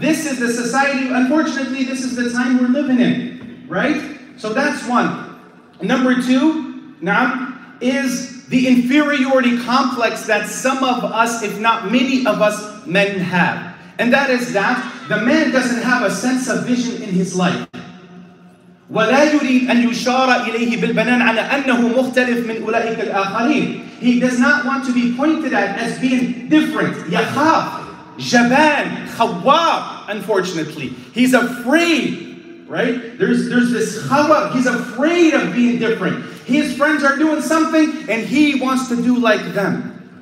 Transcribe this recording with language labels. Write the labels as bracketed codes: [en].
[en] This is the society, unfortunately, this is the time we're living in, right? So that's one. Number two, na'am, is the inferiority complex that some of us, if not many of us, men have. And that is that the man doesn't have a sense of vision in his life. [ar] ولا يريد أن يشار إليه بالبنان على أنه مختلف من أولئك الآخرين. [en] He does not want to be pointed at as being different. [ar] يخاف جبان خواب. [en] Unfortunately, he's afraid. Right? There's this khawab. He's afraid of being different. His friends are doing something, and he wants to do like them.